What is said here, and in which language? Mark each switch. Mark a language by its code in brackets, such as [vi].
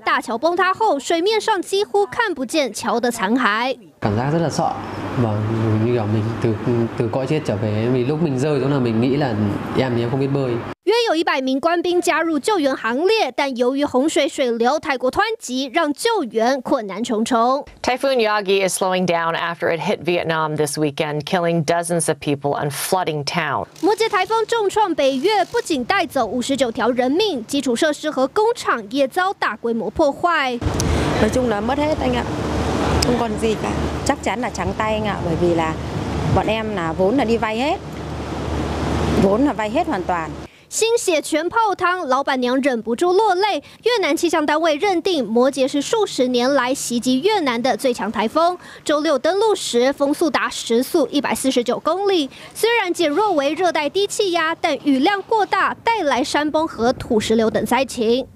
[zh] 大桥崩塌后，水面上几乎看不见桥的残骸。感觉真的少，嘛，就像我们从高处掉下来，有时候我们掉下来，我们想，我们不会游。约有100名官兵加入救援行列，但由于洪水水流太过湍急，让救援困难重重。 [en] Typhoon Yagi is slowing down after it hit Vietnam this weekend, killing dozens of people and flooding town. [zh] 摩羯台风重创北越，不仅带走59条人命，基础设施和工厂也遭大规模破坏。 [vi] nói chung là mất hết anh ạ, không còn gì cả, chắc chắn là trắng tay anh ạ, bởi vì là bọn em là vốn là đi vay hết, vốn là vay hết hoàn toàn. [zh] 心血全泡汤，老板娘忍不住落泪。越南气象单位认定摩羯是数十年来袭击越南的最强台风，周六登陆时风速达时速149公里，虽然减弱为热带低气压，但雨量过大带来山崩和土石流等灾情。